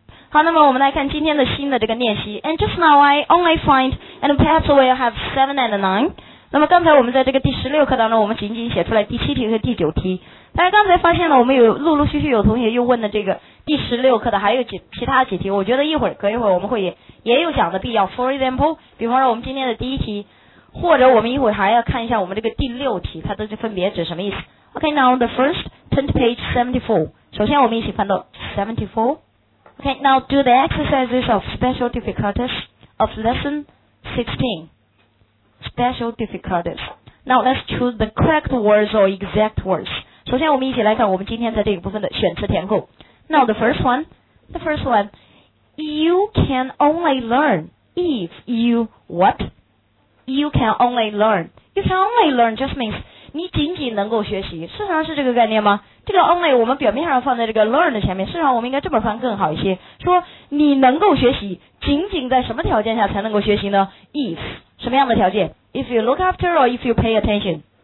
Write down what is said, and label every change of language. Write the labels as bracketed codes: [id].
[zh] 好，那么我们来看今天的新的这个练习。 [en] And just now I only find, and perhaps we'll have 7 and 9. [zh] 那么刚才我们在这个第16课当中，我们仅仅写出来第7题和第9题。但是刚才发现了，我们有陆陆续续有同学又问了这个第16课的还有其他几题。我觉得一会儿隔一会儿我们会也有讲的必要。 [en] For example, [zh] 比方说我们今天的第一题，或者我们一会儿还要看一下我们这个第6题，它都是分别指什么意思。 [en] Okay, now the first, turn to page 74. [zh] 首先我们一起翻到74. [en] Okay, now do the exercises of special difficulties of lesson 16. Special difficulties. Now let's choose the correct words or exact words. [zh] 首先我们一起来看我们今天在这个部分的选词填空。 [en] Now the first one, you can only learn if you what? You can only learn just means... [zh] 你仅仅能够学习，事实上是这个概念吗？这个 only 我们表面上放在这个 learn 的前面，事实上我们应该这么翻更好一些，说你能够学习，仅仅在什么条件下才能够学习呢？ If 什么样的条件？ [en] If you look after or if you pay attention?